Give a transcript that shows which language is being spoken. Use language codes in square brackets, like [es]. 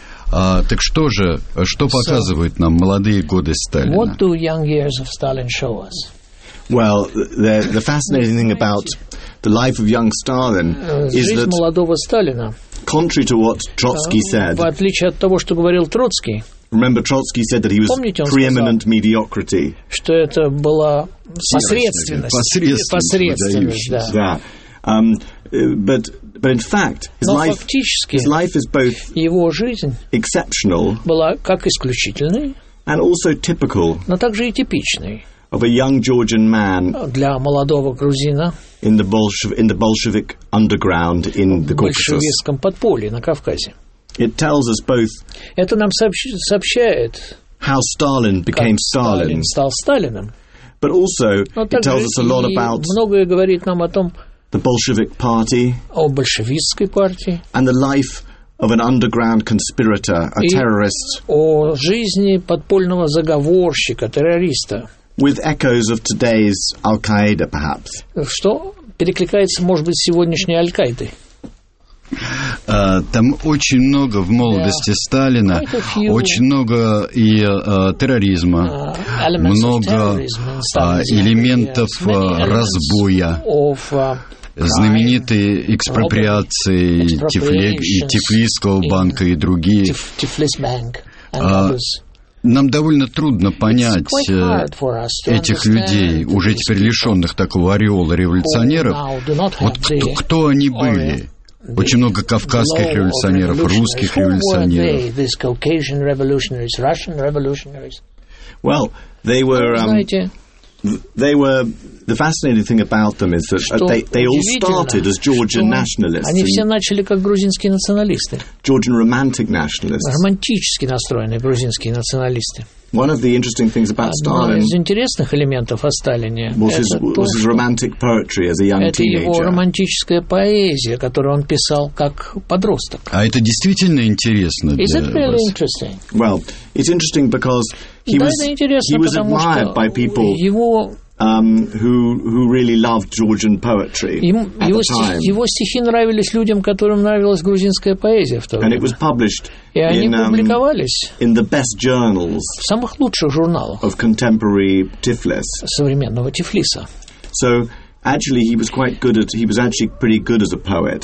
[ru] Так что же, что показывают нам молодые годы Сталина? [en] Well, the fascinating thing about the life of young Stalin is that, [ru] молодого Сталина, [en] contrary to what Trotsky said, [ru] в отличие от того, что говорил Троцкий, [en] remember Trotsky said that he was preeminent mediocrity, [ru] что это была посредственность. [en] Yeah. But in fact, his life is both [ru] его жизнь [en] exceptional, [ru] была как исключительной, [en] and also typical, [ru] но также и типичной. [en] Of a young Georgian man [ru] для молодого грузина [en] in the Bolshevik underground in the Caucasus. [ru] В большевистском подполье на Кавказе. [en] It tells us both. [ru] Это нам сообщает. [en] How Stalin became Stalin. [ru] Как Сталин стал Сталином. [en] But also it tells us a lot about. [ru] Многое говорит нам о том. [en] The Bolshevik party. [ru] О большевистской партии. [en] And the life of an underground conspirator, a terrorist. [ru] О жизни подпольного заговорщика, террориста. [en] With echoes of today's Al-Qaeda, perhaps. [ru] Что перекликается, может быть, с сегодняшней Аль-Каидой? Там очень много в молодости Сталина, очень много и терроризма, много элементов разбоя. Знаменитые экспроприации Тифлисского банка и другие. Тифлис банк и другие. Нам довольно трудно понять этих людей, уже теперь лишенных такого ореола революционеров. Вот кто они были? Очень много кавказских революционеров, русских революционеров. [en] Well, they were. They were. The fascinating thing about them is that they all started as Georgian nationalists. [ru] Они все начали как грузинские националисты. [en] Georgian romantic nationalists. [ru] Романтически настроенные грузинские националисты. [en] One of the interesting things about Stalin. [ru] Из интересных элементов о Сталине. [en] Was his romantic poetry as a young teenager. [ru] Это его романтическая поэзия, которую он писал как подросток. А это действительно интересно. [en] Is it really interesting? Well, it's interesting because he was admired by people. Who really loved Georgian poetry [ru] его, [en] at the time. [ru] Его стихи нравились людям, которым нравилась грузинская поэзия в то [en] and [ru] время. [en] It was published [ru] и они публиковались [en] in the best journals [ru] в самых лучших журналах [en] of contemporary Tiflis. [ru] Современного Тифлиса. [en] So, actually, he was actually pretty good as a poet.